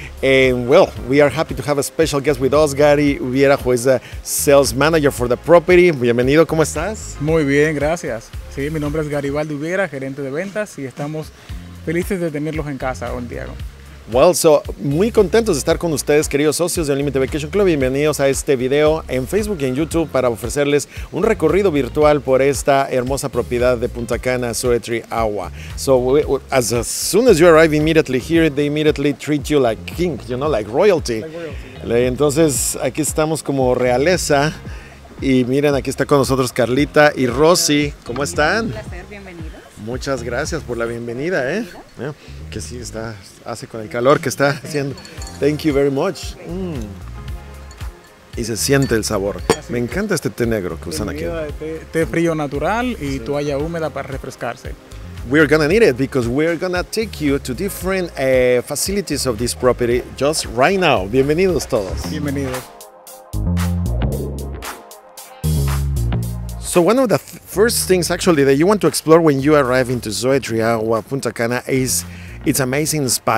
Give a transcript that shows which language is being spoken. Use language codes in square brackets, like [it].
[en] And well, we are happy to have a special guest with us, Gary Viera, who is the sales manager for the property. [es] Bienvenido, ¿cómo estás? Muy bien, gracias. Sí, mi nombre es Gary Viera, gerente de ventas, y estamos felices de tenerlos en casa, don Diego. Well, so, muy contentos de estar con ustedes, queridos socios de Unlimited Vacation Club. Bienvenidos a este video en Facebook y en YouTube para ofrecerles un recorrido virtual por esta hermosa propiedad de Punta Cana, Zoetri Agua. [en] So, as soon as you arrive immediately here, they immediately treat you like king, you know, like royalty. [es] Yeah. Entonces, aquí estamos como realeza. Y miren, aquí está con nosotros Carlita y Rosy. ¿Cómo están? Un placer, bienvenidos. Muchas gracias por la bienvenida, ¿eh? Que sí, está, hace con el calor que está haciendo. [en] Thank you very much. [es] Mm. Y se siente el sabor. Me encanta este té negro que usan aquí. Té frío natural y sí. Toalla húmeda para refrescarse. [en] We're gonna need it because we're gonna take you to different facilities of this property just right now. [es] Bienvenidos todos. Bienvenidos. [en] So one of the first things actually that you want to explore when you arrive into Zoetri Agua, Punta Cana, is its amazing spa.